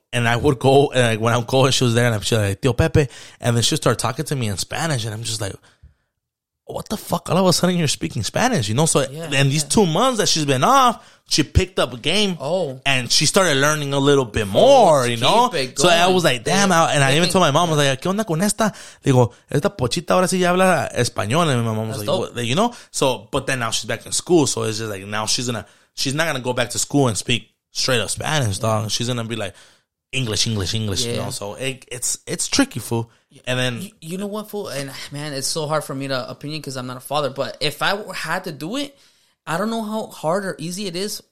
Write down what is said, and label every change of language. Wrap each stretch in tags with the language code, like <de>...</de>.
<en>And I would go, and like, when I would go, and she was there, and she's like, Tio Pepe. And then she started talking to me in Spanish, and I'm just like, what the fuck? All of a sudden, you're speaking Spanish, you know? So these 2 months that she's been off, she picked up a game, and she started learning a little bit more, you know? So I was like, damn. I even told my mom, I was like,</en> <es>¿qué onda con esta? Digo, esta pochita ahora sí ya habla español.</es> <en>And my mom was like, you know? So, but then now she's back in school, so it's just like, now she's not going to go back to school and speak straight up Spanish, dog. She's going to be like, English, yeah. You know, so it's tricky, fool. And then you know what, fool, and man, it's so hard for me to opinion because I'm not a father, but if I had to do it, I don't know how hard or easy it is.</en>